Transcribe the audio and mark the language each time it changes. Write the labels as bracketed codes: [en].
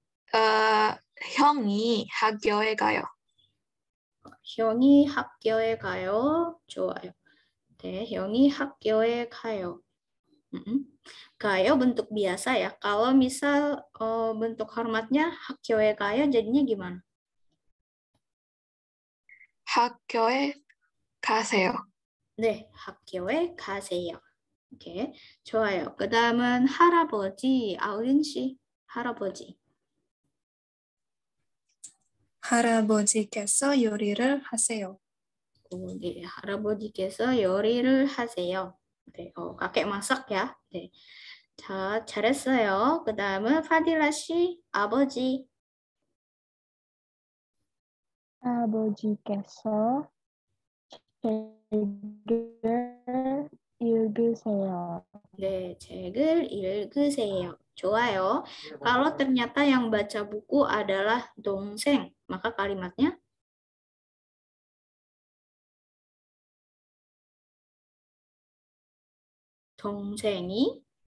[ko] Hyung이 학교에 가요. Hyung이 학교에 가요. 좋아요. 네, Hyung이 학교에 가요. [id] Gayo bentuk biasa ya. Kalau misal bentuk hormatnya [ko] 학교에 가요 [id] jadinya gimana? [ko] 학교에 가세요. 네, 학교에 가세요. 오케이, 좋아요. 그 다음은 할아버지, 아우린 씨, 할아버지. 할아버지께서 요리를 하세요. 오, 네, 할아버지께서 요리를 하세요. 네, 가게 마석 야. 네, 자, 잘했어요. 그 다음은 파디라 씨, 아버지. 아버지께서 책을 읽으세요. 네, 책을 읽으세요. 좋아요. [id] 그리고 ternyata yang baca buku adalah 동생, maka kalimatnya [ko] 동생이